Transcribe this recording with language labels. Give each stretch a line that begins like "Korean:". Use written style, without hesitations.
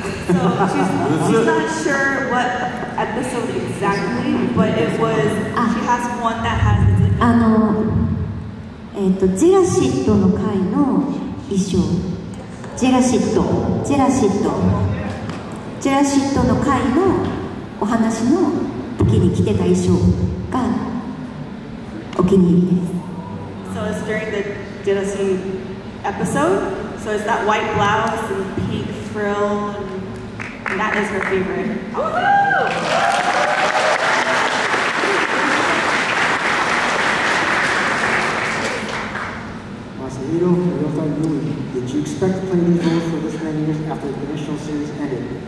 English: So she's not sure what episode exactly, but it was she has one that has it.
Japanese: ジェラシッドの回の衣装。ジェラシッドの回のお話の時に着てた衣装がお気に入りです。
English: So it's during the dinner scene episode. So it's that white blouse and pink frill, and that is her favorite. Woohoo! Masahiro, Ryota, Yui, did you expect to play these roles for this many years after the initial series ended?